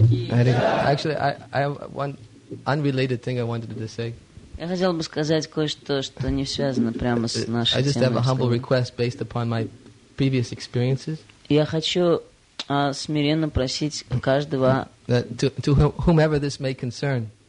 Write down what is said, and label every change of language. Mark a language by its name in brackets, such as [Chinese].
[English] Actually, I have one unrelated thing I wanted to say. [Russian] Я хотел бы сказать кое-что, что не связано прямо с нашей темой. [English] I just have a humble request based upon my previous experiences. [Russian] Я хочу смиренно просить каждого. [English] To whomever this may concern.